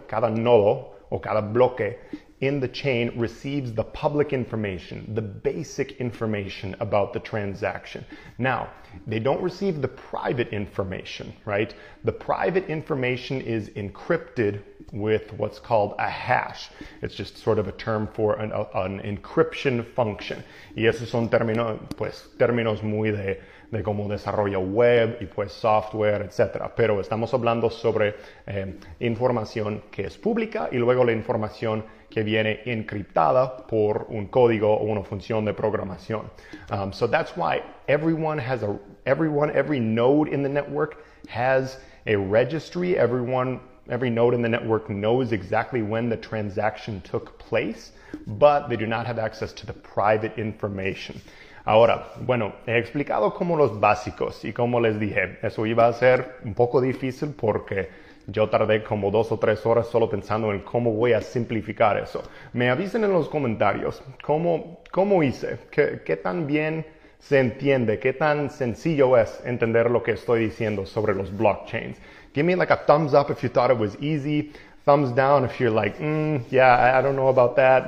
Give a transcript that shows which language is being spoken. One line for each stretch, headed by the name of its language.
Spanish: Cada nodo o cada bloque
English: in the chain receives the public information, the basic information about the transaction. Now, they don't receive the private information, right? The private information is encrypted with what's called a hash. It's just sort of a term for an encryption function.
Spanish: Y esos son términos muy de cómo desarrolla web y pues software, etc. Pero estamos hablando sobre información que es pública y luego la información que viene encriptada por un código o una función de programación.
English: So that's why every node in the network has a registry. Every node in the network knows exactly when the transaction took place, but they do not have access to the private information.
Spanish: Ahora, bueno, he explicado como los básicos y como les dije, eso iba a ser un poco difícil porque yo tardé como 2 o 3 horas solo pensando en cómo voy a simplificar eso. Me avisen en los comentarios cómo hice, qué tan bien se entiende, qué tan sencillo es entender lo que estoy diciendo sobre los blockchains.
English: Give me like a thumbs up if you thought it was easy. Thumbs down if you're like, yeah, I don't know about that.